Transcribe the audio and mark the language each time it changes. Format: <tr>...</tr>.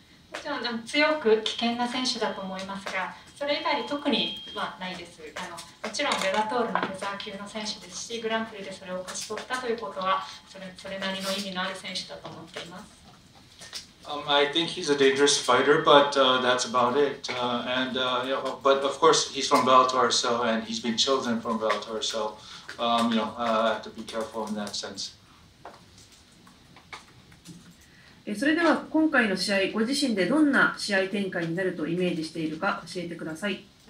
<ja>もちろんベラトールのフェザー級の選手ですし、グランプリでそれを勝ち取ったということは、それなりの意味のある選手だと思っています。</ja> <en>I think he's a dangerous fighter, but that's about it. And you know, but of course he's from Bellator, so, and he's been chosen from Bellator, so you know, I have to be careful in that sense.</en> <ja>それでは今回の試合、ご自身でどんな試合展開になるとイメージしているか教えてください。</ja>